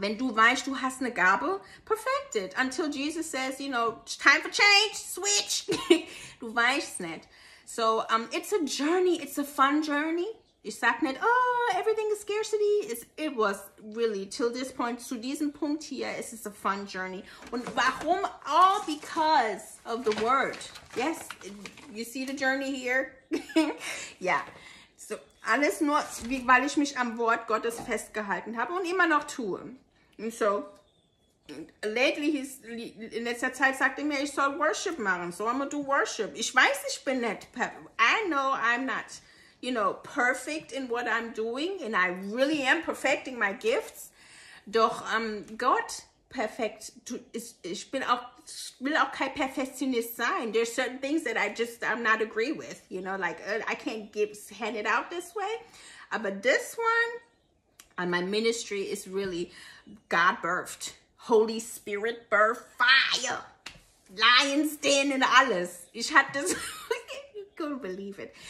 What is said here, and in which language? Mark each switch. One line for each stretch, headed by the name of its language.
German: Wenn du weißt, du hast eine Gabe,
English: perfect it. Until Jesus says, you know, it's time for change, switch.
German: Du weißt nicht.
English: So, it's a journey. It's a fun journey.
German: Ich sag nicht,
English: oh, everything is scarcity. It was really, till this point,
German: zu diesem Punkt hier,
English: it is a fun journey.
German: Und warum?
English: All because of the word. Yes, you see the journey here? Yeah.
German: So, alles nur, weil ich mich am Wort Gottes festgehalten habe und immer noch tue.
English: And so, lately,
German: in letzter Zeit sagt er mir, ich soll worship machen.
English: So, I'm gonna do worship.
German: Ich weiß, ich bin nicht,
English: I know I'm not, you know, perfect in what I'm doing, and I really am perfecting my gifts.
German: Doch Gott perfekt. Ich bin auch, will auch kein Perfektionist sein.
English: There's certain things that I'm not agree with. You know, like I can't hand it out this way. But this one, and my ministry is really God birthed, Holy Spirit birthed, fire, lion's den and alles.
German: Ich hatte das.
English: Couldn't believe it.